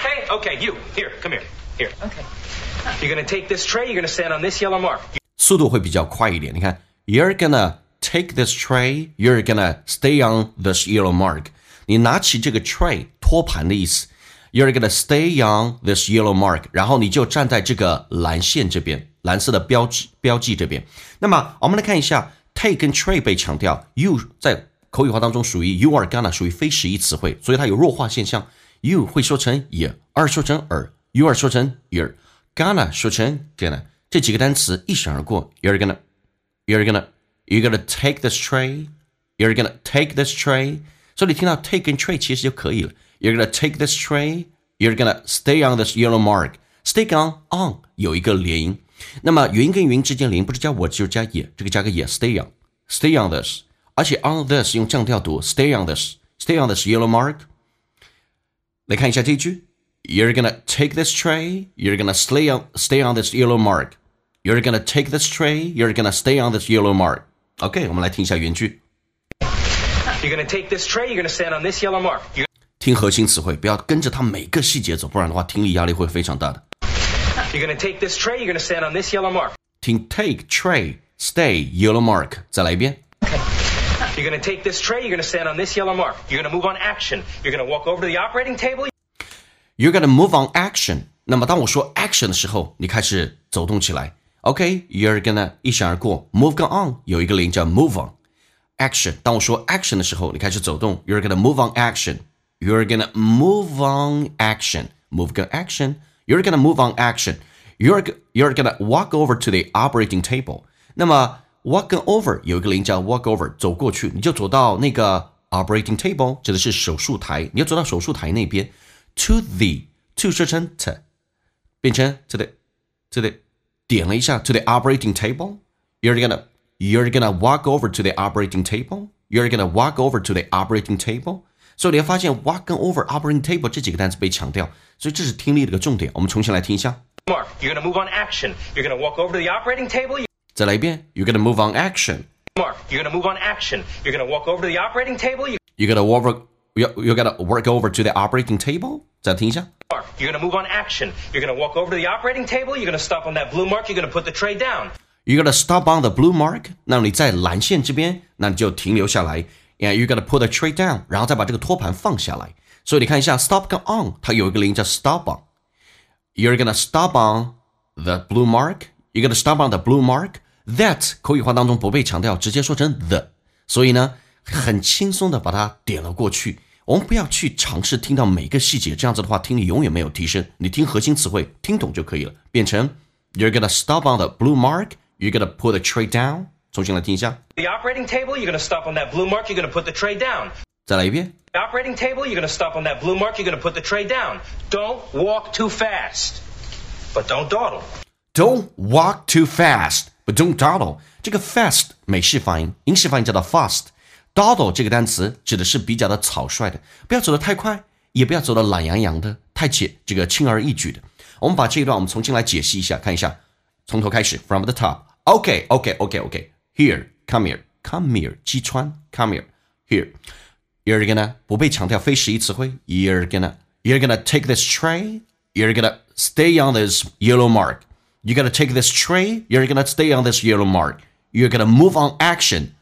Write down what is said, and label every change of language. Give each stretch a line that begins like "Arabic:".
English: Okay, you, here, come here, here. Okay. You're gonna take this tray, you're gonna stand on this yellow mark.
Chinese: 速度会比较快一点，你看
English: you're gonna take this tray, you're gonna stay on this yellow mark.
Chinese: 你拿起这个 tray, 托盘的意思。
English: You're gonna stay on this yellow mark.
Chinese: 然后你就站在这个蓝线这边，蓝色的标记这边。那么我们来看一下 take 跟 tray 被强调， you 在口语化当中属于 you are gonna， 属于非实义词汇，所以它有弱化现象。 You 会说成 ye， 二说成 er， you are 说成 yer， gonna 说成 gonna， 这几个单词一闪而过。
English: You're gonna take this tray， you're gonna take this tray，
Chinese: 所以你听到 take 跟 tray 其实就可以了。
English: You're gonna take this tray. You're gonna stay on this yellow mark.
Chinese: Stay on 有一个连音，那么元音跟元音之间连音不是加我就是加也，这个加个也。
English: Stay on this，
Chinese: 而且
English: on this
Chinese: 用降调读。
English: Stay on this yellow mark.
Chinese: 来看一下这一句。
English: You're gonna take this tray. You're gonna stay on this yellow mark. You're gonna take this tray. You're gonna stay on this yellow mark.
Chinese: OK， 我们来听一下原句。
English: You're gonna take this tray. You're gonna stand on this yellow mark. You're...
Chinese: 听核心词汇，不要跟着它每个细节走，不然的话听力压力会非常大的。
English: You're gonna take this tray, you're gonna stand on this yellow mark.
Chinese: 听 take, tray, stay, yellow mark, 再来一遍。
English: Okay. You're gonna take this tray, you're gonna stand on this yellow mark. You're gonna move on action. You're gonna walk over to the operating table. You're gonna move on action.
Chinese: 那么当我说 action 的时候，你开始走动起来。
English: OK, you're gonna
Chinese: 一闪而过。
English: Move on,
Chinese: 有一个零叫
English: move on.
Chinese: Action, 当我说 action 的时候，你开始走动。
English: You're gonna move on action. You're gonna move on action. Move on action. You're gonna move on action. You're gonna walk over to the operating table.
Chinese: 那么 walk over 有一个零叫 walk over， 走过去，你就走到那个 operating table， 指的是手术台。你要走到手术台那边。 To 说成 t， 变成 to the， 点了一下 to the operating table.
English: You're gonna walk over to the operating table. You're gonna walk over to the operating table.
Chinese: 所以你要发现 walk over operating table 这几个单词被强调，所以这是听力的一个重点。我们重新来听一下。
English: Mark, you're gonna move on action. You're gonna walk over to the operating table.
Chinese: 再来一遍。
English: You're gonna move on action. Mark, you're gonna move on action. You're gonna walk over to the operating table. You're gonna work over to the operating table.
Chinese: 再听一下。
English: Mark, you're gonna move on action. You're gonna walk over to the operating table. You're gonna stop on that blue mark. You're gonna put the tray down. You're gonna stop on the blue mark.
Chinese: 那你在蓝线这边，那你就停留下来。
English: Yeah, you're gonna put the tray down,
Chinese: 然后再把这个托盘放下来。所以你看一下 stop 跟 on， 它有一个零叫 stop on。
English: You're gonna stop on the blue mark. You're gonna stop on the blue mark.
Chinese: That 口语化当中不被强调，直接说成 the。所以呢，很轻松的把它点了过去。我们不要去尝试听到每个细节，这样子的话听力永远没有提升。你听核心词汇，听懂就可以了。变成
English: you're gonna stop on the blue mark. You're gonna put the tray down.
Chinese: 重新来听一下。
English: The operating table, you're gonna stop on that blue mark. You're gonna put the tray down.
Chinese: 再来一遍。
English: The operating table, you're gonna stop on that blue mark. You're gonna put the tray down. Don't walk too fast, but don't dawdle. Don't walk too fast, but don't dawdle.
Chinese: 这个 fast 美式发音，英式发音叫做 fast. Dawdle 这个单词指的是比较的草率的，不要走得太快，也不要走得懒洋洋的，太轻而易举的。我们把这一段我们重新来解析一下，看一下，从头开始 ，
English: from the top. Okay. Here, come here,
Chinese: 击穿
English: come here, here. You're gonna
Chinese: 不被强调非实义词汇
English: You're gonna take this tray. You're gonna stay on this yellow mark. You're gonna take this tray. You're gonna stay on this yellow mark. You're gonna move on action.